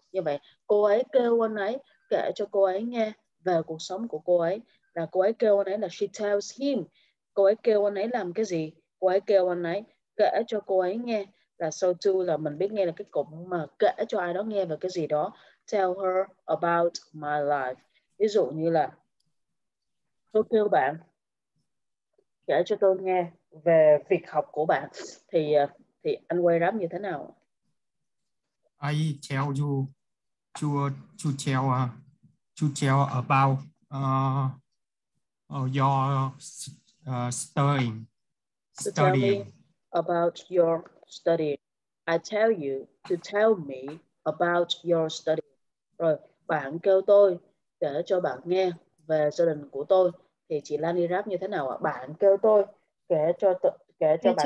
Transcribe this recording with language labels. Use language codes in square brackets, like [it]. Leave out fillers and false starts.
[vi] Như vậy cô ấy kêu anh ấy kể cho cô ấy nghe về cuộc sống của cô ấy, là cô ấy kêu anh ấy là [en] she tells him, [vi] cô ấy kêu anh ấy làm cái gì, cô ấy kêu anh ấy kể cho cô ấy nghe, là so to là mình biết nghe là cái cụm mà kể cho ai đó nghe về cái gì đó. [en] Tell her about my life, [vi] ví dụ như là tôi kêu bạn kể cho tôi nghe về việc học của bạn thì anh quay rap như thế nào? [en] I tell you to tell about your studying. To tell me about your study. I tell you to tell me about your study. [vi] Rồi bạn kêu tôi kể cho bạn nghe về gia đình của tôi thì chị Lani rap như thế nào ạ? Bạn kêu tôi kể cho bạn nghe